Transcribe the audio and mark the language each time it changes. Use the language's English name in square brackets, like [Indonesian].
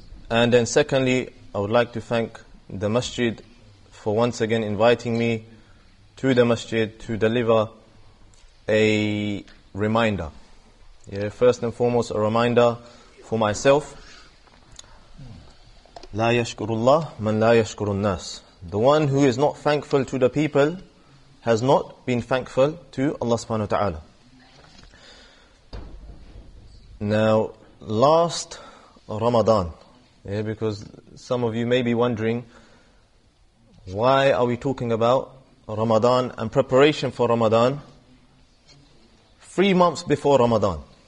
[English] And then secondly, I would like to thank the masjid for once again inviting me to the masjid to deliver a reminder. Yeah, first and foremost, a reminder for myself. [Arabic] لا يشكر الله من لا يشكر الناس. [English] The one who is not thankful to the people has not been thankful to Allah subhanahu wa ta'ala. Now, last Ramadan, yeah, because some of you may be wondering, why are we talking about Ramadan and preparation for Ramadan 3 months before Ramadan?